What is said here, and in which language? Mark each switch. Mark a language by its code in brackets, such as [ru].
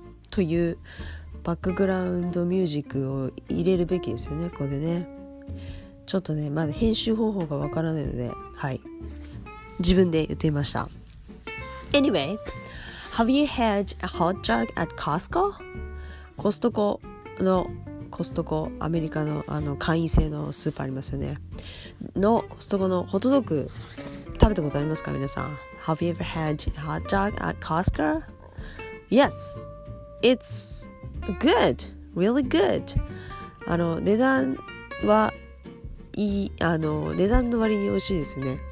[ja] というバックグラウンドミュージックを入れるべきですよね、これね。ちょっとね、まだ編集方法がわからないので、はい、自分で言ってみました。 [en] Anyway, have you had a hot dog at Costco? [ja] コストコのコストコ、アメリカの、あの会員制のスーパーありますよね。のコストコのホットドッグ食べたことありますか、皆さん。 [en] Have you ever had a hot dog at Costco? Yes, it's good, really good. [ja] あの値段はいい、あの値段の割に美味しいですね。